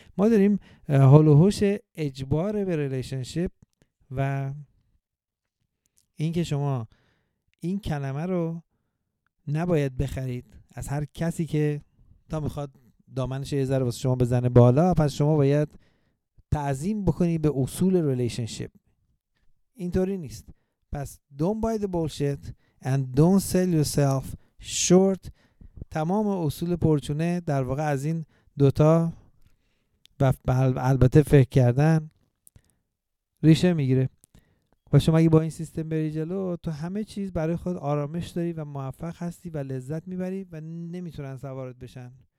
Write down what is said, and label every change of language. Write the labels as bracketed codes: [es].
[fa] ما داریم هول و هوش اجبار به ریلیشنشیپ و اینکه شما این کلمه رو نباید بخرید از هر کسی که تا میخواد دامنش یه ذره واسه شما بزنه بالا. پس شما باید تعظیم بکنی به اصول ریلیشنشیپ. اینطوری نیست. [en] پس don't buy the bullshit and don't sell yourself short. [fa] تمام اصول پرچونه در واقع از این دوتا و البته فکر کردن ریشه میگیره. و شما اگه با این سیستم بری جلو، تو همه چیز برای خود آرامش داری و موفق هستی و لذت میبری و نمیتونن سوارت بشن.